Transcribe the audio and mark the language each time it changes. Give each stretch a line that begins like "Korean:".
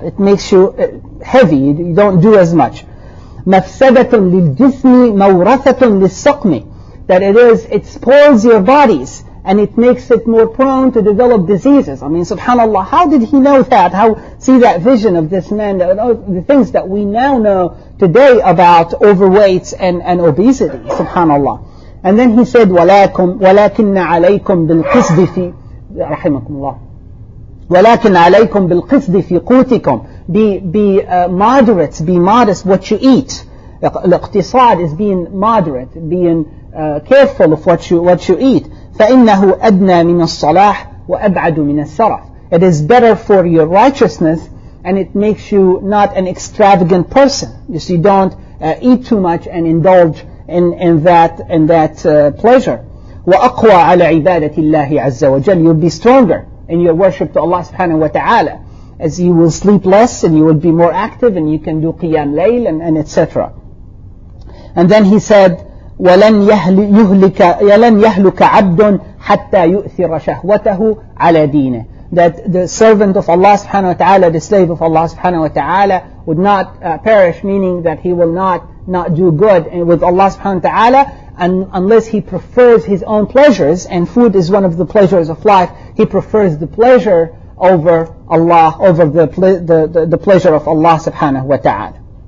English: It makes you heavy. You don't do as much.
Arabic: مَفْسَدَةٌ لِلْجِسْمِ مَوْرَثَةٌ لِلسَّقْمِ.
English: That it spoils your bodies and it makes it more prone to develop diseases. I mean, subhanAllah, how did he know that? How, see that vision of this man, the things that we now know today about overweight and obesity, subhanAllah. And then he said,
Arabic: وَلَكِنَّ عَلَيْكُمْ بِالْقِصْدِ فِي رَحِمَكُمْ اللَّهُ وَلَكِنَّ عَلَيْكُمْ بِالْقِصْدِ فِي قُوتِكُمْ.
English: Be moderate, be modest what you eat. الاقتصاد is being moderate, being careful of what you eat.
Arabic: فَإِنَّهُ أَدْنَى مِنَ الصَّلَاحِ وَأَبْعَدُ مِنَ السَّرَفِ.
English: It is better for your righteousness and it makes you not an extravagant person. You see, don't eat too much and indulge in that pleasure.
Arabic: وَأَقْوَى عَلَى عِبَادَةِ اللَّهِ عَزَّ وَجَلَّ.
English: You'll be stronger in your worship to Allah subhanahu wa ta'ala, as you will sleep less and you will be more active and you can do qiyam layl and etc. And then he said,
Arabic: وَلَنْ يَهْلُكَ عَبْدٌ حَتَّى يُؤْثِرَ شَهْوَتَهُ عَلَى دِينِهِ.
English: That the servant of Allah subhanahu wa ta'ala, the slave of Allah subhanahu wa ta'ala, would not perish, meaning that he will not not do good with Allah subhanahu wa ta'ala, and unless he prefers his own pleasures, and food is one of the pleasures of life, he prefers the pleasure over Allah, over the pleasure of Allah subhanahu wa ta'ala.